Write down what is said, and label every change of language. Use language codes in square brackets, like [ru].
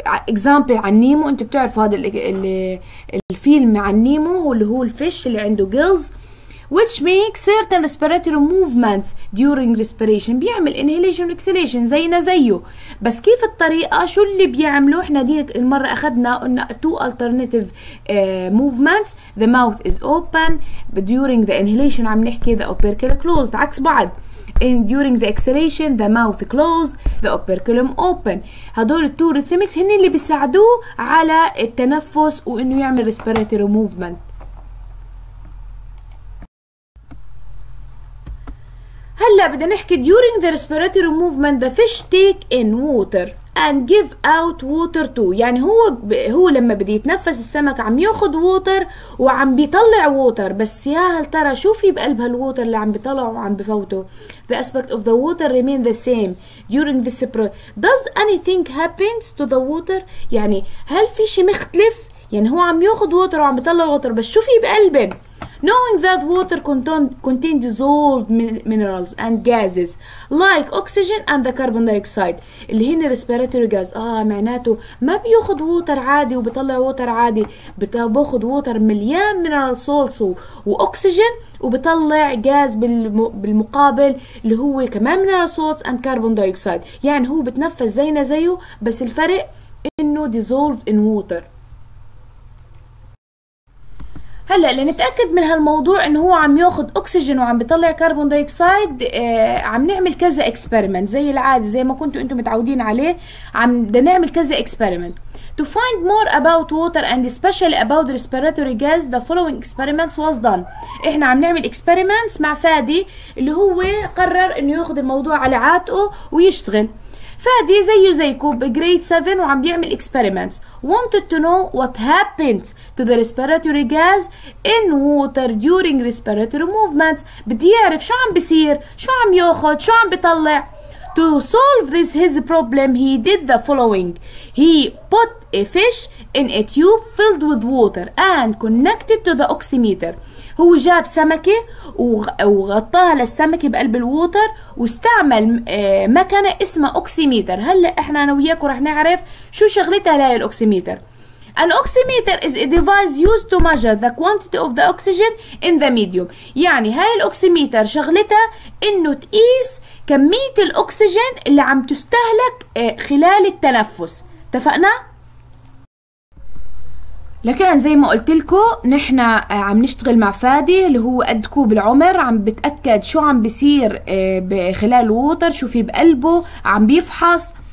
[ar] example عن نيمو، انتو بتعرفوا هذا الفيلم عن نيمو واللي هو الفيش اللي عنده [en] gills which make certain respiratory movements during respiration، [ar] بيعمل inhalation exhalation زينا زيه. بس كيف الطريقة، شو اللي بيعملوا؟ احنا دي المرة اخدنا قلنا [en] two alternative movements، the mouth is open during the inhalation، [ar] عم نحكي [en] the opercular closed، [ar] عكس بعض. [en] In during the exhalation the mouth closed the operculum open. [ar] هدول التو ريثمكس هن اللي بيساعدوه على التنفس وانه يعمل [en] respiratory movement. [ar] هلا بدنا نحكي [en] during the respiratory movement the fish take in water. and give out water to، [ar] يعني هو لما بده يتنفس السمك عم ياخد ووتر وعم بيطلع ووتر، بس يا هل ترى شو في بقلب هالووتر اللي عم بيطلعه وعم بفوته. [en] The aspect of the water remain the same during this process. Does anything happens to the water؟ [ar] يعني هل في شيء مختلف؟ يعني هو عم ياخد ووتر وعم بيطلع ووتر، بس شو في بقلبه؟ [en] Knowing that water contains dissolved minerals and gases like oxygen and the carbon dioxide [ar] اللي هن [en] respiratory gas. [ar] معناته ما بياخد ووتر عادي وبيطلع ووتر عادي، بياخد ووتر مليان mineral salts واكسجين وبيطلع غاز بالمقابل اللي هو كمان [en] mineral salts and carbon dioxide. [ar] يعني هو بتنفس زينا زيه، بس الفرق انه [en] dissolved in water. [ar] هلا لنتاكد من هالموضوع انه هو عم ياخذ اكسجين وعم بيطلع كربون دايوكسيد، عم نعمل كذا اكسبيرمنت زي العاده زي ما كنتوا انتم متعودين عليه. عم بدنا نعمل كذا اكسبيرمنت [en] to find more about water and especially about respiratory gas. The following experiments was done. [ar] احنا عم نعمل اكسبيرمنتس مع فادي اللي هو قرر انه ياخذ الموضوع على عاتقه ويشتغل. فادي زيه زيكو بجريد 7 وعم بيعمل experiments. [en] Wanted to know what happened to the respiratory gas in water during respiratory movements. [ar] بدي يعرف شو عم بيصير، شو عم ياخد، شو عم بيطلع. [en] To solve this his problem he did the following. He put a fish in a tube filled with water and connected to the oximeter. [ar] هو جاب سمكة وغطاها للسمكة بقلب الووتر واستعمل مكنة اسمها أوكسيميتر. هلأ احنا أنا وياك رح نعرف شو شغلتها لهي الأوكسيميتر. [en] An oximeter is a device used to measure the quantity of the oxygen in the medium. [ar] يعني هاي الأوكسيميتر شغلتها انه تقيس كمية الأوكسجين اللي عم تستهلك خلال التنفس. اتفقنا؟ لكن زي ما قلت لكم نحن عم نشتغل مع فادي اللي هو قد كوب العمر، عم بتأكد شو عم بيصير خلال الووتر، شو في بقلبه، عم بيفحص.